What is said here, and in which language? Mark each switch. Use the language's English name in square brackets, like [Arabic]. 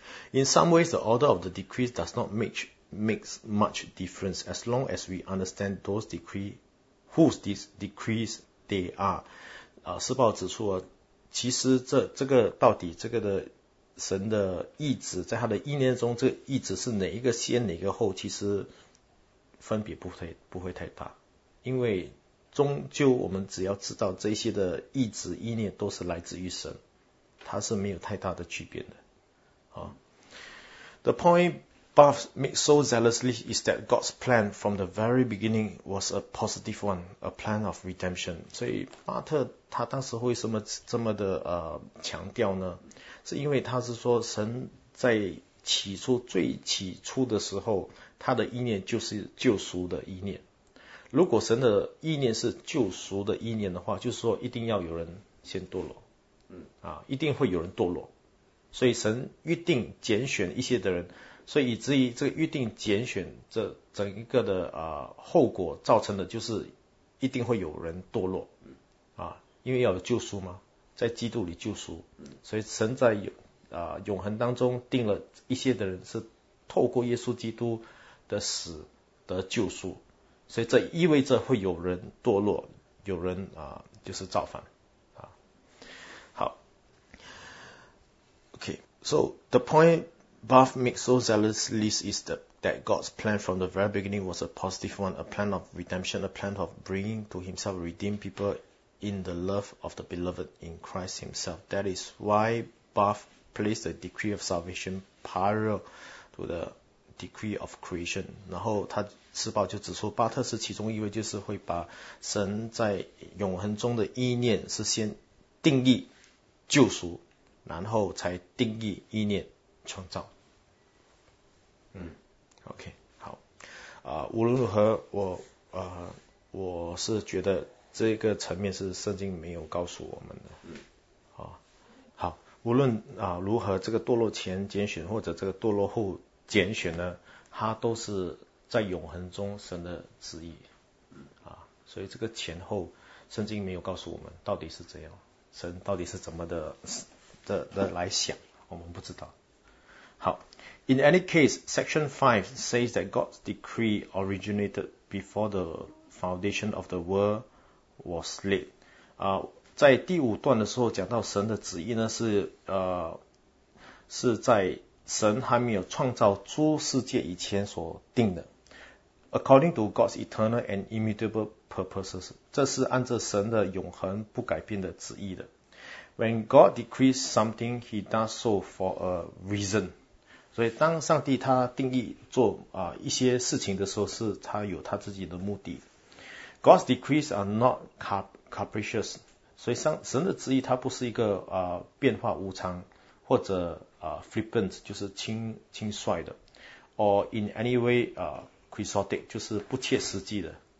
[English] In some ways, the order of the decrees does not make much difference as long as we understand those decrees, whose these decrees they are. [Chinese] 世报指出，其实这个到底这个的神的意志，在他的意念中，这个意志是哪一个先哪个后，其实分别不会太大，因为终究我们只要知道这些的意志意念都是来自于神。它是没有太大的区别的，啊。 [English] The point Barth made so zealously is that God's plan from the very beginning was a positive one, a plan of redemption. [Chinese] 所以巴特他当时会这么的强调呢，是因为他是说神在起初最起初的时候，他的意念就是救赎的意念。如果神的意念是救赎的意念的话，就是说一定要有人先堕落，一定会有人堕落，所以神预定拣选一些的人，所以以至于这个预定拣选这整一个的后果造成的就是一定会有人堕落，因为要有救赎嘛，在基督里救赎，所以神在永恒当中定了一些的人是透过耶稣基督的死得救赎，所以这意味着会有人堕落，有人就是造反。 [English] Okay, so the point Barth makes so zealously is that God's plan from the very beginning was a positive one, a plan of redemption, a plan of bringing to himself redeemed people in the love of the beloved in Christ himself. That is why Barth placed the decree of salvation parallel to the decree of creation. [Chinese] 然后他施暴就指出巴特是其中一位，就是会把神在永恒中的意念是先定义救赎，然后才定义意念创造。 OK, 好。无论如何我是觉得这个层面是圣经没有告诉我们的。好，无论如何，这个堕落前拣选或者这个堕落后拣选呢，它都是在永恒中神的旨意。所以这个前后圣经没有告诉我们到底是怎样，神到底是怎么的来想，我们不知道。 [English] 好， In any case, section 5 says that God's decree originated before the foundation of the world was laid. [Chinese] 在第五段的时候讲到神的旨意呢是在神还没有创造诸世界以前所定的。 [English] According to God's eternal and immutable purposes, [Chinese] 这是按照神的永恒不改变的旨意的。 [English] When God decrees something, He does so for a reason. [Chinese] 所以当上帝他定义做一些事情的时候，是他有他自己的目的。 [English] God's decrees are not capricious. [Chinese] 所以神的旨意他不是一个变化无常，或者flippant 就是轻率的 ， [English] or in any way quixotic [Chinese] 就是不切实际的。